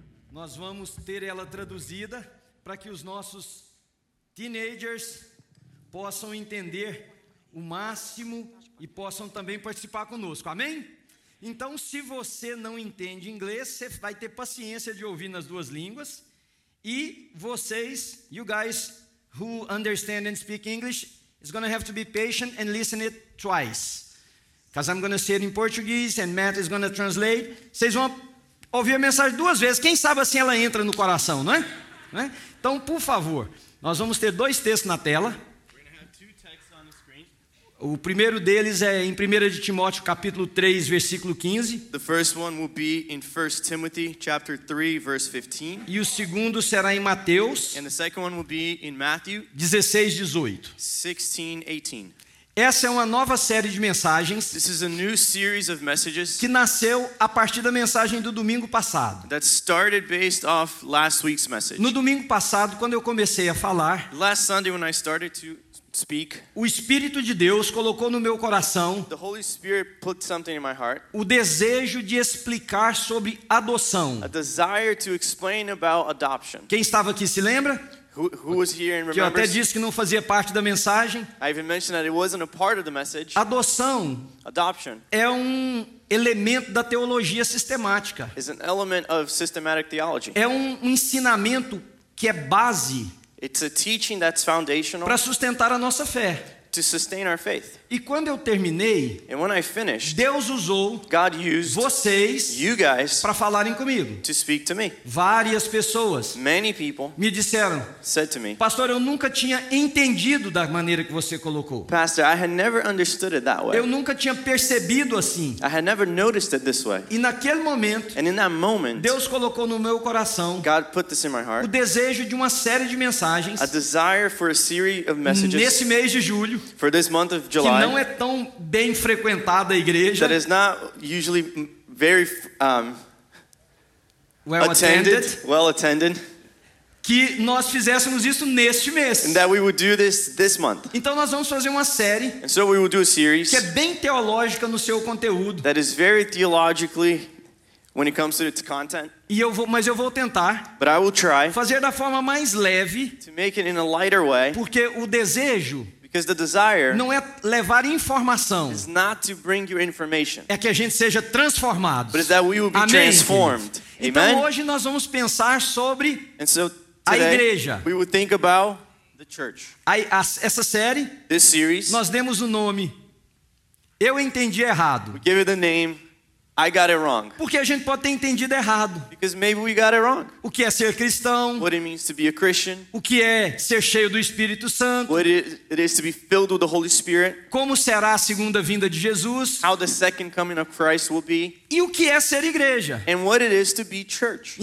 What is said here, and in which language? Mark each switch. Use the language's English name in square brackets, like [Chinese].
[Portuguese] Nós vamos ter ela traduzida para que os nossos teenagers possam entender o máximo e possam também participar conosco, amém? Então, se você não entende inglês, você vai ter paciência de ouvir nas duas línguas. E vocês, [English] you guys who understand and speak English, is going to have to be patient and listen it twice. Because I'm going to say it in Portuguese and Matt is going to translate. [Portuguese] Vocês vão ouvir a mensagem duas vezes. Quem sabe assim ela entra no coração, não é? Não é? Então, por favor, nós vamos ter dois textos na tela. O primeiro deles é em 1 Timóteo, capítulo 3, versículo 15. [English] The first one will be in 1 Timothy, chapter 3, verse 15. [Portuguese] E o segundo será em Mateus. [English] And the second one will be in Matthew, 16, 18. 16, 18. [Portuguese] Essa é uma nova série de mensagens. [English] This is a new series of messages [Portuguese] que nasceu a partir da mensagem do domingo passado. [English] That started based off last week's message. [Portuguese] No domingo passado, quando eu comecei a falar, [English] last Sunday when I started to speak, [Portuguese] o Espírito de Deus colocou no meu coração [English] the Holy Spirit put something in my heart, [Portuguese] o desejo de explicar sobre adoção. [English] A desire to explain about adoption. [Portuguese] Quem estava aqui se lembra? [English] Who was here and remembers? [Portuguese] Que eu até disse que não fazia parte da mensagem. [English] I even mentioned that it wasn't a part of the message. [Portuguese] Adoção, [English] adoption, [Portuguese] é um elemento da teologia sistemática. [English] Is an element of systematic theology. [Portuguese] É um ensinamento que é base. [English] It's a teaching that's foundational. [Portuguese] Para sustentar a nossa fé. [English] To sustain our faith. [Portuguese] E quando eu terminei, [English] and when I finished, [Portuguese] Deus usou, [English] God used [Portuguese] vocês, [English] you guys, [Portuguese] para falarem comigo. [English] To speak to me. [Portuguese] Várias pessoas, [English] many people, [Portuguese] me disseram, [English] said to me, [Portuguese] Pastor, eu nunca tinha entendido da maneira que você colocou. [English] Pastor, I had never understood it that way. [Portuguese] Eu nunca tinha percebido assim. [English] I had never noticed it this way. [Portuguese] E naquele momento, [English] and in that moment, [Portuguese] Deus colocou no meu coração, [English] God put this in my heart, [Portuguese] o desejo de uma série de mensagens, [English] a desire for a series of messages, [Portuguese] nesse mês de julho, [English] for this month of July, [Portuguese] não é tão bem frequentada a igreja. [English] That is not usually very well attended. Well attended. [Portuguese] Que nós fizéssemos isso neste mês. [English] And that we would do this month. [Portuguese] Então nós vamos fazer uma série. [English] And so we will do a series. [Portuguese] Que é bem teológica no seu conteúdo. [English] That is very theologically when it comes to its content. [Portuguese] E eu vou, mas eu vou tentar. [English] But I will try. [Portuguese] Fazer da forma mais leve. [English] To make it in a lighter way. [Portuguese] Porque o desejo. [English] Because the desire [Portuguese] não é levar informação, [English] is not to bring you information, [Portuguese] é que a gente seja transformado, [English] but is that we will be, [Portuguese] amém, [English] transformed. [Portuguese] Então, [English] amen? [Portuguese] Hoje nós vamos pensar sobre, [English] and so [Portuguese] a igreja. [English] We will think about the church. [Portuguese] Essa série, [English] this series, [Portuguese] nós demos o nome, eu entendi errado. [English] We give it the name, I got it wrong. [Portuguese] Porque a gente pode ter entendido errado. [English] Because maybe we got it wrong. [Portuguese] O que é ser cristão? [English] What it means to be a Christian. [Portuguese] O que é ser cheio do Espírito Santo? [English] What it is to be filled with the Holy Spirit. [Portuguese] Como será a segunda vinda de Jesus? [English] How the second coming of Christ will be. [Portuguese] E o que é ser igreja? [English] And what it is to be church.